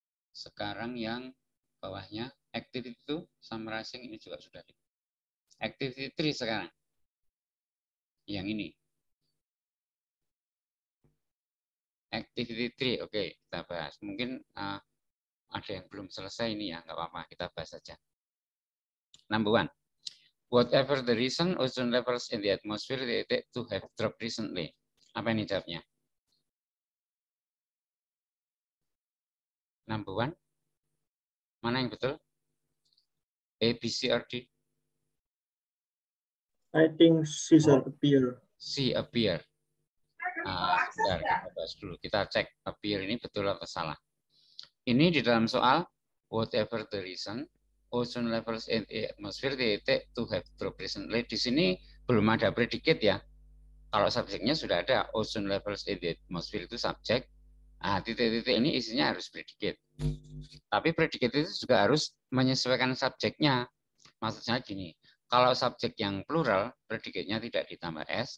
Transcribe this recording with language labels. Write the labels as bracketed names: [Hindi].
[Indonesian] Sekarang yang bawahnya activity 2 summarizing ini juga sudah. Activity 3 sekarang. Yang ini. Activity 3, oke, kita bahas. Mungkin ada yang belum selesai ini ya, enggak apa-apa, kita bahas saja. [English] Number 1. Whatever the reason, ozone levels in the atmosphere they take to have dropped recently. [Indonesian] Apa ini jawabnya? Number 1. Mana yang betul? [English] A, B, C, or D? I think C appear. [Indonesian] C appear. Sebentar, kita bahas dulu. Kita cek appear ini betul atau salah. Ini di dalam soal, [English] whatever the reason, ozone levels in the atmosphere they take to have dropped recently. [Indonesian] Di sini belum ada predikat ya. Kalau subjeknya sudah ada, [English] ozone levels in the atmosphere [Indonesian] itu subjek. Nah, titik-titik ini isinya harus predikat. Tapi predikat itu juga harus menyesuaikan subjeknya. Maksudnya gini, kalau subjek yang plural, predikatnya tidak ditambah S.